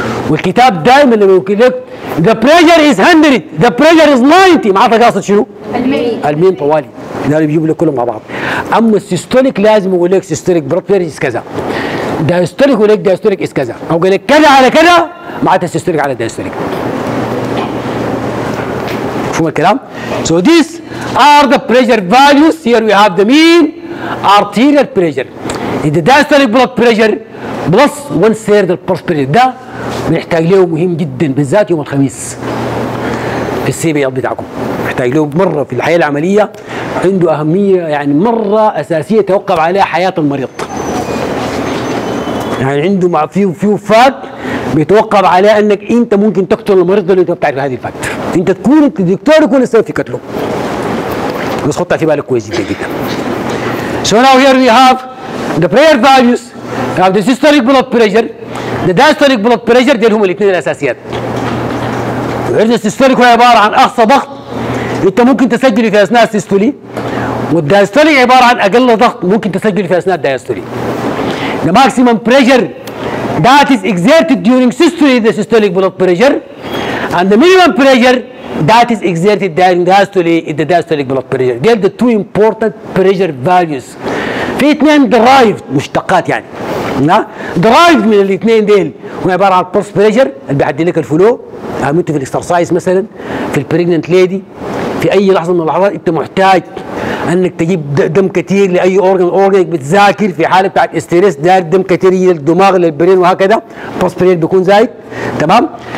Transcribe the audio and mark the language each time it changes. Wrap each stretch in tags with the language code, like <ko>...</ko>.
<ar>والكتاب دائما لما يقول لك</ar> <en>the pressure is 100 the pressure is 90</en> <ar>معناته قاصد شنو؟ المين. المين طوالي. ده اللي بيجيب لك كلهم مع بعض. اما السيستوليك لازم يقول لك سيستوليك بلاد بريشر كذا. دايستوليك يقول لك دايستوليك از كذا. او يقول لك كذا على كذا معناته السيستوليك على دايستوليك. مفهوم الكلام؟</ar> <en>So these are the pressure values. Here we have the mean arterial pressure. The diastolic blood pressure plus one third البلس pressure.</en> <ar>ده نحتاج له مهم جدا بالذات يوم الخميس في السي بي ال بتاعكم. نحتاج له مره في الحياه العمليه، عنده اهميه يعني مره اساسيه توقف عليها حياه المريض. يعني عنده مع فيه فات بيتوقف عليه انك انت ممكن تقتل المريض اللي انت بتعرف هذه الفات. انت تكون الدكتور يكون السبب في قتله. بس حطها في بالك كويس جدا.</ar> <en>So now here we have the prayer values. We have the systolic blood pressure, the diastolic blood pressure.</en> <ar>دي هم الاثنين الاساسيات. عندنا السيستوليك هو عباره عن اقصى ضغط انت ممكن تسجله في اثناء السيستولي، والدايستوليك عباره عن اقل ضغط ممكن تسجله في اثناء الدايستولي.</ar> <en>The maximum pressure that is exerted during systole is the systolic blood pressure, and the minimum pressure that is exerted during diastole is the diastolic blood pressure. They are the two important pressure values.</en> <ar>في اثنين derived مشتقات يعني. درايف من الاثنين ديل هو عباره عن البلس بريشر اللي بيعدي لك الفلو، عملته في الاكسرسايز مثلا، في البريجننت ليدي، في اي لحظه من اللحظات انت محتاج انك تجيب دم كثير لاي اورجن، اورجنك بتذاكر في حاله بتاعت ستريس داير دم كثير للدماغ للبرين وهكذا، البلس بريشر بيكون زايد. تمام.</ar>